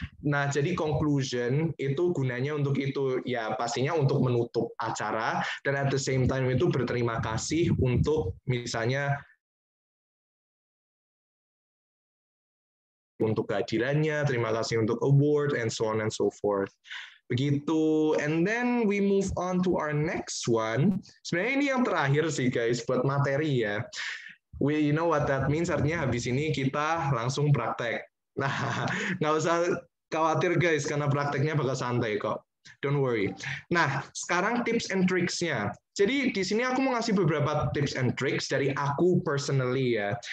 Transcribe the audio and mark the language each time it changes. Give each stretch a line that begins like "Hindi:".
Indonesian: Nah, jadi conclusion itu gunanya untuk itu ya, pastinya untuk menutup acara, dan
English: at the same time
Indonesian: itu berterima kasih untuk misalnya untuk kehadirannya, terima kasih untuk award,
English: and so on and so forth.
Indonesian: Begitu,
English: and then we move on to our next one.
Indonesian: Sebenarnya ini yang terakhir sih guys, buat materi ya.
English: We, you know what that means,
Indonesian: artinya habis ini kita langsung praktek. Nah, nggak usah khawatir guys, karena prakteknya bakal santai kok.
English: Don't worry.
Indonesian: Nah, sekarang tips and tricks-nya. Jadi di sini aku mau ngasih beberapa tips and tricks dari aku personally ya.